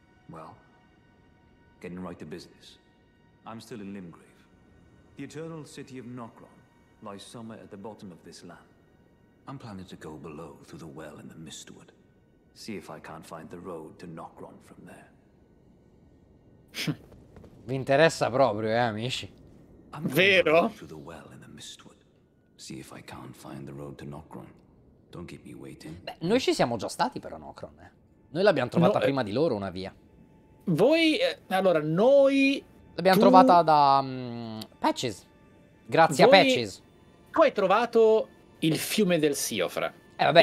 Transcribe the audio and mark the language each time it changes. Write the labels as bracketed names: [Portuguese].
[English] Well, getting right to business. I'm still in Limgrave. The eternal city of Nokron lies somewhere at the bottom of this land. I'm planning to go below through the well in the Mistwood. See if I can't find the road to Nokron from there. [Italian] Vi interessa proprio, amici? Vero? [English] Through the well in the Mistwood. See if I can't find the road to Nokron. Don't keep me waiting. [Italian] Beh, noi ci siamo già stati però Nokron, eh. Noi l'abbiamo trovata prima di loro una via. Voi allora noi l'abbiamo trovata da Patches. Grazie a Patches. Tu hai trovato il fiume del Siofra. Vabbè.